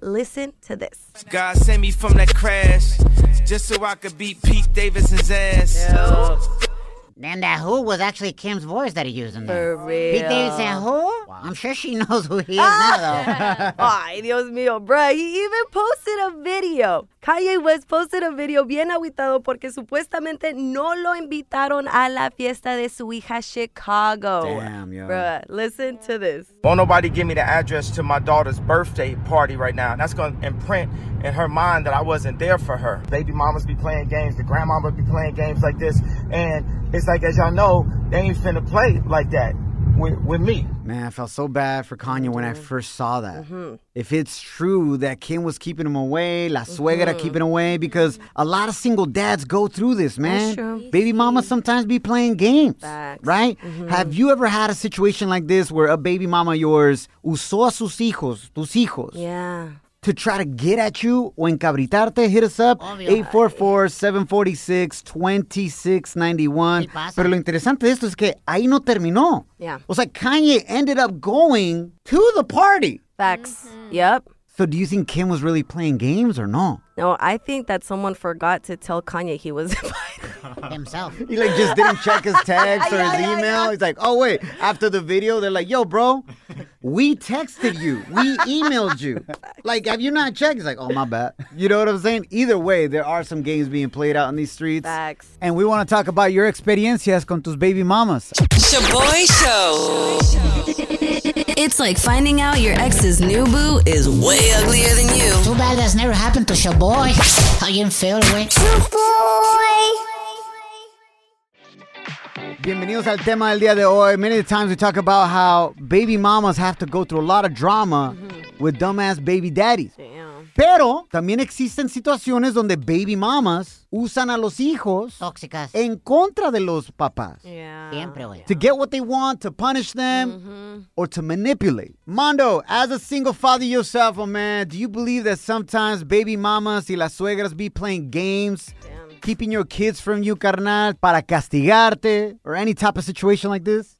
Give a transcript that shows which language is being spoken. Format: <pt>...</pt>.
<en>Listen to this. God sent me from that crash just so I could beat Pete Davidson's ass. Then that who was actually Kim's voice that he used in there. For real. Pete Davidson who? I'm sure she knows who he is now, though.</en> <es>Ay, Dios mío,</es> <en>bruh. He even posted a video.</en> <es>Kanye West</es> <en>posted a video</en> <es>bien aguitado porque supuestamente no lo invitaron a la fiesta de su hija Chicago.</es> <en>Damn, yo. Bruh, listen to this. Won't nobody give me the address to my daughter's birthday party right now. And that's going to imprint in her mind that I wasn't there for her. Baby mamas be playing games. The grandmama be playing games like this. And it's like, as y'all know, they ain't finna play like that with me. Man, I felt so bad for Kanye when I first saw that. If it's true that Kim was keeping him away,</en> <es>la suegra</es> <en>keeping away, because a lot of single dads go through this, man. That's true. Baby mama sometimes be playing games. Facts. Right? Have you ever had a situation like this where a baby mama of yours</en> <es>usó a sus hijos, tus hijos?</es> <en>Yeah. To try to get at you</en> <es>o encabritarte,</es> <en>hit us up.</en> <es>Obvio, 844-746-2691. Pero lo interesante de esto es que ahí no terminó.</es> <en>Yeah.</en> <es>O sea,</es> <en>Kanye ended up going to the party. Facts. Mm-hmm. Yep. So do you think Kim was really playing games or no? No, I think that someone forgot to tell Kanye he was invited. Himself. He like just didn't check his text or his email. He's like, oh, wait. After the video, they're like, yo, bro, we texted you. We emailed you. Like, have you not checked? He's like, oh, my bad. You know what I'm saying? Either way, there are some games being played out in these streets. Facts. And we want to talk about your</en> <es>experiencias con tus</es> <en>baby mamas. Shaboy Show. It's like finding out your ex's new boo is way uglier than you. Too bad that's never happened to Shaboy. How you feel, boy? Shaboy.</en> <es>Bienvenidos al tema del día de hoy.</es> <en>Many times we talk about how baby mamas have to go through a lot of drama with dumbass baby daddies. Damn.</en> <es>Pero también existen situaciones donde baby mamas usan a los hijos tóxicas en contra de los papás.</es> <en>Yeah.</en> <es>Siempre, güey.</es> <en>To get what they want, to punish them, or to manipulate. Mondo, as a single father yourself, oh man, do you believe that sometimes baby mamas</en> <es>y las suegras</es> <en>be playing games? Damn. Keeping your kids from you, carnal,</en> <es>para castigarte,</es> <en>or any type of situation like this?</en>